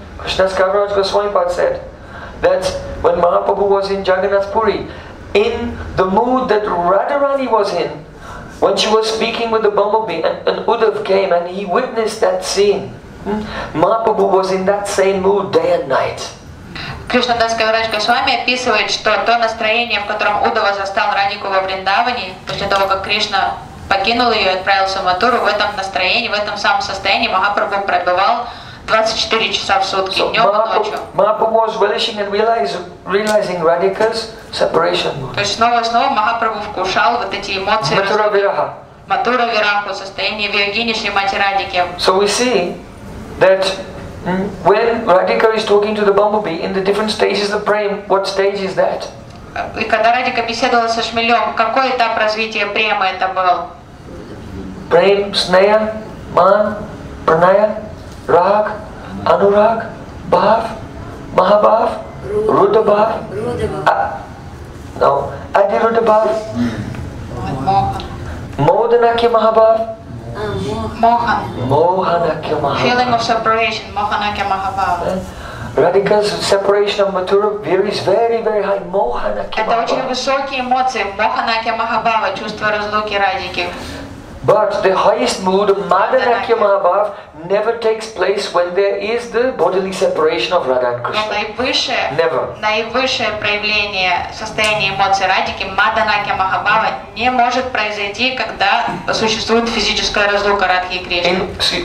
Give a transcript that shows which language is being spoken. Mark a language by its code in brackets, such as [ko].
[en] Krishna Kaviraj Goswami Pad said that when Mahaprabhu was in Jagannath Puri, in the mood that Radharani was in, when she was speaking with the bumblebee and Uddhav came and he witnessed that scene, Mahaprabhu was in that same mood day and night. [ru] Кришна Дас Кавирадж Госвами описывает, что то настроение, в котором Удава застал Радику во Вриндаване, после того, как Кришна покинул ее и отправился в Матуру, в этом настроении, в этом самом состоянии Махапрабху пребывал 24 часа в сутки, [en] so, [ru] днем и ночью. [en] Махапрабху was relishing and realizing Radhika's separation. [ru] То есть снова и снова Махапрабху вкушал вот эти эмоции. Матура Вираха. Матура Вираха, состояние Вирагини Шри Мати Радики. [en] So we see that when Radhika is talking to the bumblebee in the different stages of prem, what stage is that? [ru] И когда Радика беседовала со шмелем, какой этап развития према это был? [sa] Prem, Sneha, Man, Pranaya, Rag, Anurag, Bhav, Mahabhav, Rudabhav, Adirudabhav, Modanakya Mahabhav. Mohanakya Mahabhava. [en] Feeling of separation, Mohanakya Mahabhava. Radhika's separation of Mathura varies very, very high. Mohanakya [ru] Mahabhava. Это очень высокие эмоции, Mohanakya Mahabhava, чувство разлуки Радики. [en] But the highest mood of Madanakya Mahabhava never takes place when there is the bodily separation of Radha and Krishna. Never. [ru] Наивысшее проявление состояния эмоций Радики Madanakya Mahabhava не может произойти, когда существует физическая разлука Радхи и Кришны.